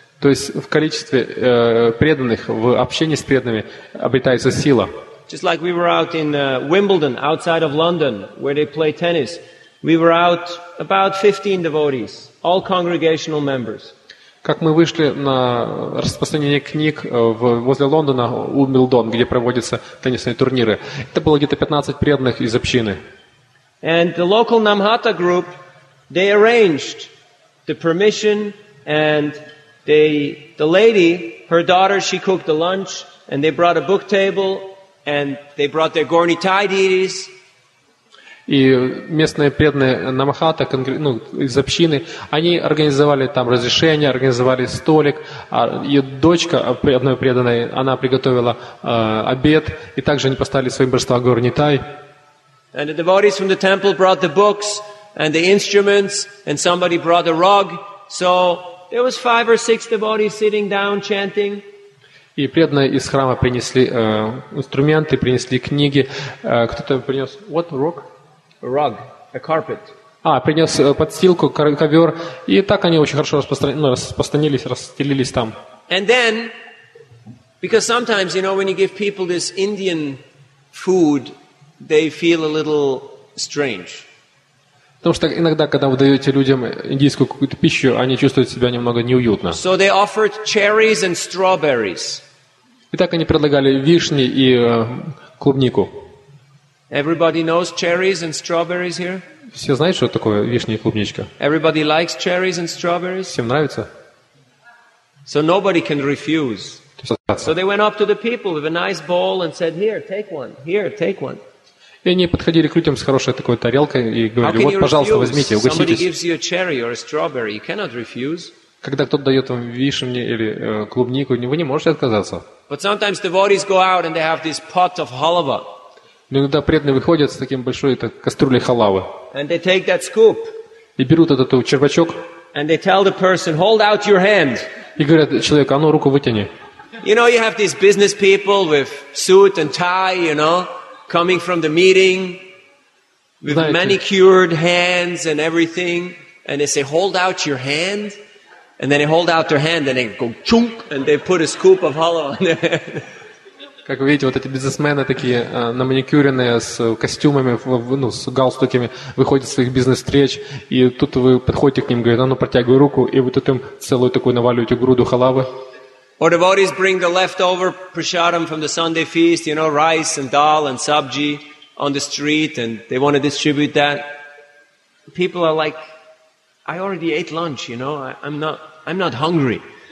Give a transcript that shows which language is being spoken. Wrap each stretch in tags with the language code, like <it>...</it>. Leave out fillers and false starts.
<ru>То есть в количестве преданных, в общении с преданными обретается сила.</ru> <en>Just like we were out in Wimbledon, outside of London, where they play tennis, we were out about 15 devotees, all congregational members.</en> <ru>Как мы вышли на распространение книг возле Лондона, Уимблдон, где проводятся теннисные турниры, это было где-то 15 преданных из общины.</ru> <en>And the local Namhata group, they arranged the permission and... The lady, her daughter, she cooked the lunch, and they brought a book table, and they brought their Gorni Tidies.</en> <ru>И местные преданные Намахата, ну, из общины, они организовали там разрешение, организовали столик. Ее дочка одной преданной, она приготовила обед, и также они поставили свои божества Gorni Tai.</ru> <en>And the devotees from the temple brought the books and the instruments, and somebody brought a rug, so. There was five or six devotees sitting down chanting.</en> <ru>И преданные из храма принесли инструменты, принесли книги. Кто-то принес</ru> <en>what rug? Rug, a carpet.</en> <ru>А принес подстилку, ковер. И так они очень хорошо расстелились там.</ru> <en>And then, because sometimes, you know, when you give people this Indian food, they feel a little strange.</en> <ru>Потому что иногда, когда вы даете людям индийскую какую-то пищу, они чувствуют себя немного неуютно.</ru> <en>So they offered cherries and strawberries.</en> <ru>Итак, они предлагали вишни и клубнику.</ru> <en>Everybody knows cherries and strawberries here?</en> <ru>Все знают, что такое вишня и клубничка?</ru> <en>Everybody likes cherries and strawberries?</en> <ru>Всем нравится?</ru> <en>So nobody can refuse. So they went up to the people with a nice bowl and said, here, take one, here, take one.</en> <ru>И они подходили к людям с хорошей такой тарелкой и говорили, вот, пожалуйста, возьмите, угоститесь. Когда кто-то дает вам вишню или клубнику, вы не можете отказаться. Но иногда преданные выходят с таким большой кастрюлей халавы.</ru> <en>And they take that scoop.</en> <ru>И берут этот червячок.</ru> <en>And they tell the person, hold out your hand.</en> <ru>И говорят человеку, а ну руку вытяни.</ru> <en>You know, you have these business people with suit and tie, you know, coming from the meeting with</en> <ru>Знаете,</ru> <en>manicured hands and everything, and they say, hold out your hand. And then they hold out their hand and they go chunk and they put a scoop of hollow on their head.</en> <ru>Как вы видите, вот эти бизнесмены такие, наманикюренные, с костюмами, ну, с галстуками, выходят с своих бизнес-встреч, и тут вы подходите к ним, говорите, ну, протягивай руку, и вы тут им целую такую наваливаете груду халавы.</ru> <en>Or devotees bring the leftover prasadam from the Sunday feast, you know, rice and dal and sabji on the street, and they want to distribute that. People are like, I already ate lunch, you know, I'm not hungry.</en>